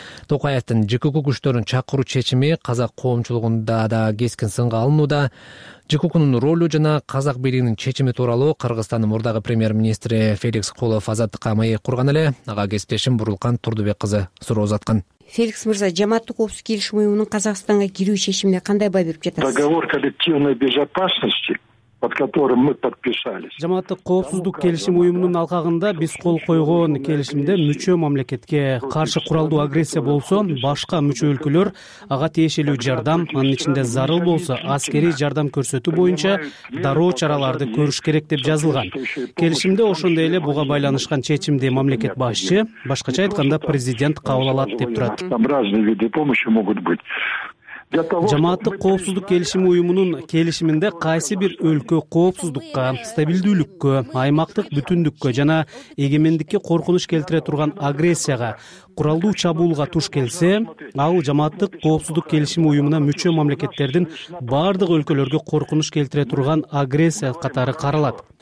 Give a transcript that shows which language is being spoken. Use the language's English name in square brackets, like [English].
[Kyrgyz] Токаевдин ЖКК күчтөрүн чакыруу чечими казак коомчулугунда да кескин сынга алынууда. ЖКК'нун ролу жана казак бийлигинин чечими тууралуу Кыргызстандын мурдагы премьер-министри Феликс Колов азаттыкка маек курган эле ага кесиптешим Бурулкан Турдубек кызы суроо узаткан. Феликс мырза, жамааттык коопсуздук келишим уюмунун Казакстанга кирүү чечимине кандай баа берип жатасыз? [Russian] Договор коллективной безопасности, под которым мы подписались. [Kyrgyz] Жамааттык коопсуздук келишим уюмунун алкагында биз кол койгон келишимде мүчө мамлекетке каршы куралдуу агрессия болсо, башка мүчө өлкөлөр ага тиешелүү жардам, анын ичинде зарыл болсо аскерий жардам көрсөтүү боюнча дароо чараларды көрүш керек деп жазылган. Келишимде ошондой эле буга байланышкан чечимди мамлекет башчы, башкача айтканда президент кабыл алат деп турат. [Russian] Разные виды помощи могут быть. [Kyrgyz] Жамааттык коопсуздук келишими уюмунун келишиминде кайсы бир өлкө коопсуздукка, стабилдүүлүккө, аймактык бүтүндүккө жана эгемендикке коркунуч келтире турган агрессияга, куралдуу чабуулга туш келсе, ал жамааттык коопсуздук келишими уюмуна мүчө мамлекеттердин бардык өлкөлөргө коркунуч келтире турган агрессия катары каралат.